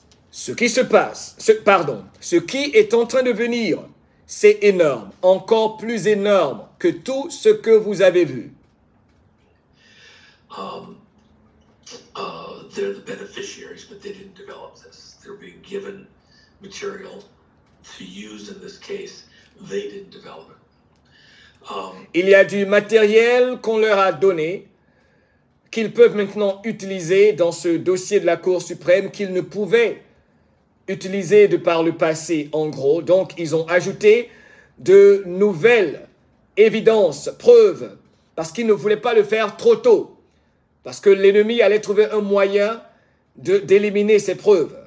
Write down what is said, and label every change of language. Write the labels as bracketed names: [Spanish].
[French] Ce qui se passe, ce qui est en train de venir, c'est énorme, encore plus énorme que tout ce que vous avez vu. [English] They're the beneficiaries, but they didn't develop this. They're being given material to use in this case. They didn't develop it. [French] Il y a du matériel qu'on leur a donné, qu'ils peuvent maintenant utiliser dans ce dossier de la Cour suprême qu'ils ne pouvaient utiliser de par le passé, en gros. Donc, ils ont ajouté de nouvelles évidences, preuves, parce qu'ils ne voulaient pas le faire trop tôt, parce que l'ennemi allait trouver un moyen d'éliminer ces preuves.